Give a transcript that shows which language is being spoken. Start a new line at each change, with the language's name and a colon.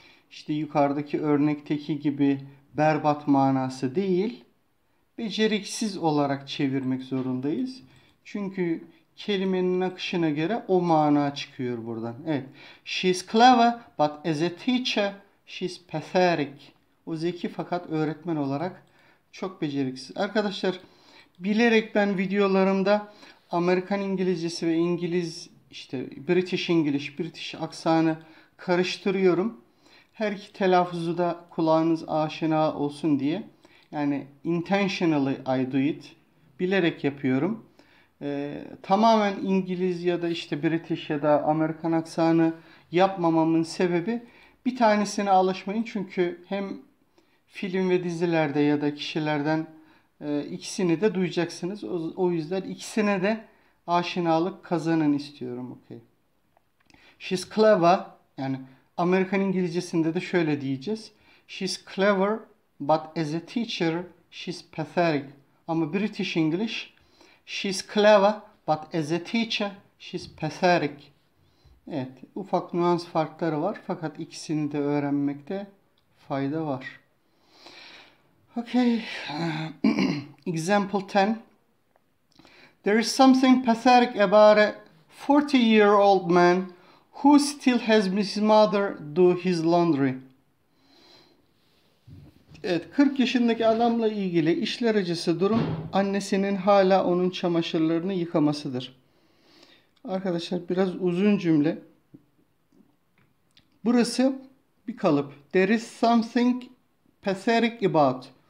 Turkish: İşte yukarıdaki örnekteki gibi berbat manası değil. Beceriksiz olarak çevirmek zorundayız. Çünkü kelimenin akışına göre o mana çıkıyor buradan. Evet.
English: She's clever but as a teacher she's pathetic.
Turkish: O zeki fakat öğretmen olarak çok beceriksiz. Arkadaşlar bilerek ben videolarımda Amerikan İngilizcesi ve İngiliz işte British English, British aksanı karıştırıyorum. Her iki telaffuzu da kulağınız aşina olsun diye. Yani
English: intentionally I do it.
Turkish: Bilerek yapıyorum. Tamamen İngiliz ya da işte British ya da Amerikan aksanı yapmamamın sebebi bir tanesine alışmayın. Çünkü hem film ve dizilerde ya da kişilerden ikisini de duyacaksınız. O yüzden ikisine de aşinalık kazanın istiyorum.
English: Okay. She's clever.
Turkish: Yani Amerikan İngilizcesinde de şöyle diyeceğiz.
English: She's clever but as a teacher she's pathetic. Ama British English. She's clever but as a teacher she's pathetic.
Turkish: Evet, ufak nüans farkları var fakat ikisini de öğrenmekte fayda var.
English: Okay. Example 10. There is something pathetic about a 40-year-old man who still has his mother do his laundry.
Turkish: Evet, 40 yaşındaki adamla ilgili işler acısı durum annesinin hala onun çamaşırlarını yıkamasıdır. Arkadaşlar biraz uzun cümle. Burası bir kalıp.
English: There is something pathetic about.